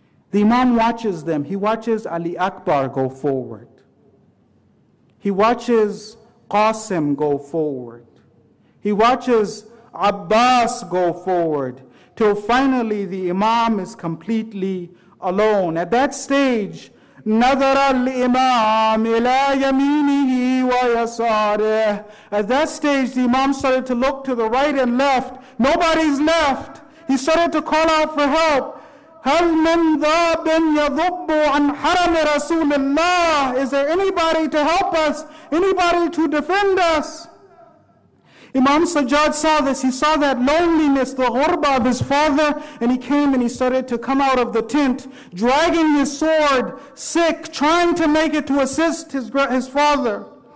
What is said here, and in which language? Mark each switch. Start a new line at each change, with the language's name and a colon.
English: The imam watches them. He watches Ali Akbar go forward. He watches Qasim go forward. He watches Abbas go forward, till finally the imam is completely alone. At that stage,
Arabic: نظر الإمام إلى يمينه ويساره.
English: At that stage, the imam started to look to the right and left. Nobody's left. He started to call out for help.
Arabic: هل من ذاب يذب عن حرم رسول الله?
English: Is there anybody to help us? Anybody to defend us? Imam Sajjad saw this. He saw that loneliness, the ghurba of his father, and he came and he started to come out of the tent, dragging his sword, sick, trying to make it to assist his father.